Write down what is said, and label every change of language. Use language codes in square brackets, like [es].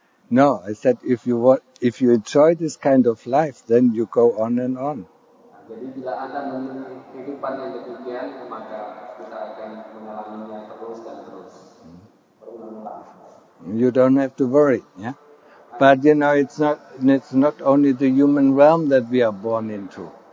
[en] No, I said if you enjoy this kind of life, then you go on and on. [id] Jadi bila Anda memiliki kehidupan yang demikian, maka kita akan mengalaminya terus dan terus. Berulang-ulang. [en] You don't have to worry, yeah? But you know, it's not only the human realm that we are born into.